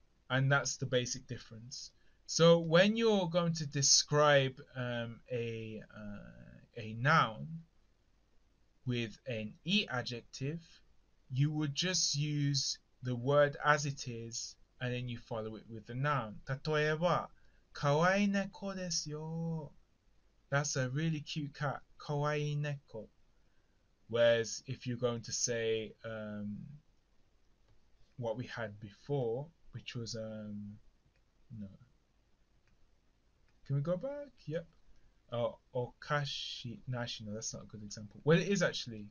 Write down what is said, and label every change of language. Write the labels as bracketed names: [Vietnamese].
[English] And that's the basic difference. So when you're going to describe a noun with an e adjective, you would just use the word as it is, and then you follow it with the noun. [Japanese] 例えば、かわいい猫ですよ。 [English] That's a really cute cat. かわいい猫。 Whereas if you're going to say what we had before, which was no. Can we go back? Yep. Okashi. No, actually, no, that's not a good example. Well, it is actually.